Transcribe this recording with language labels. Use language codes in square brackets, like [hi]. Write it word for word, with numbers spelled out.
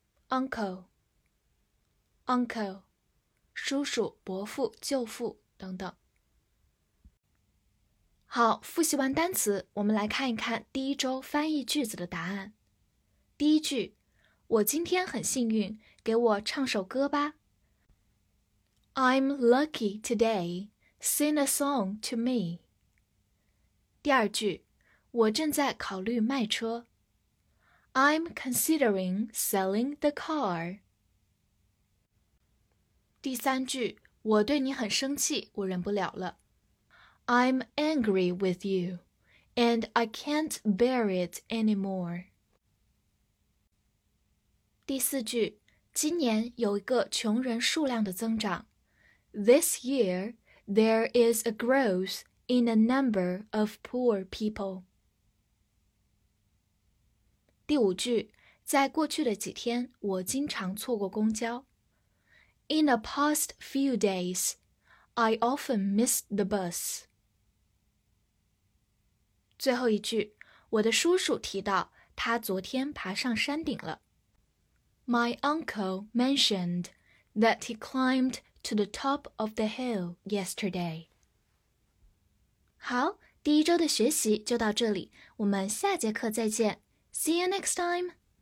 [zh] Uncle Uncle 叔叔、伯父、舅父等等。好，复习完单词，我们来看一看第一周翻译句子的答案。第一句，我今天很幸运，给我唱首歌吧。 [en] I'm lucky today, sing a song to me. [zh] 第二句，我正在考虑卖车。 [en] I'm considering selling the car. [zh] 第三句，我对你很生气，我忍不了了。 [en] I'm angry with you, and I can't bear it anymore. [zh] 第四句，今年有一个穷人数量的增长。 [en] This year, there is a growth in the number of poor people. [zh] 第五句，在过去的几天，我经常错过公交。 [en] In the past few days, I often missed the bus. [zh] 最后一句，我的叔叔提到他昨天爬上山顶了。 [en] My uncle mentioned that he climbed to the top of the hill yesterday. [zh] 好，第一周的学习就到这里，我们下节课再见。 [en] See you next time!